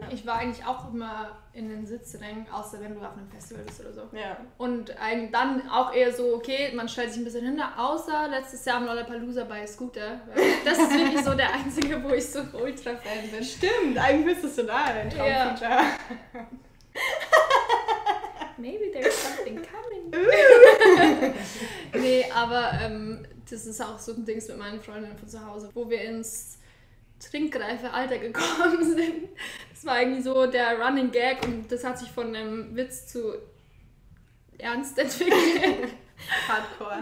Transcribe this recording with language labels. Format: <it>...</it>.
<de>Ich war eigentlich auch immer in den Sitzrängen, außer wenn du auf einem Festival bist oder so. Ja. Und dann auch eher so, okay, man stellt sich ein bisschen hinter, außer letztes Jahr am Lollapalooza bei Scooter. Das ist wirklich so der einzige, wo ich so Ultra-Fan bin. Stimmt, eigentlich bist du da dein Traumfeature.</de> <en>Maybe there is something coming.</en> <de>Nee, aber das ist auch so ein Ding mit meinen Freundinnen von zu Hause, wo wir ins trinkreife Alter gekommen sind. Das war irgendwie so der Running Gag und das hat sich von einem Witz zu ernst entwickelt.</de> <en>Hardcore.</en>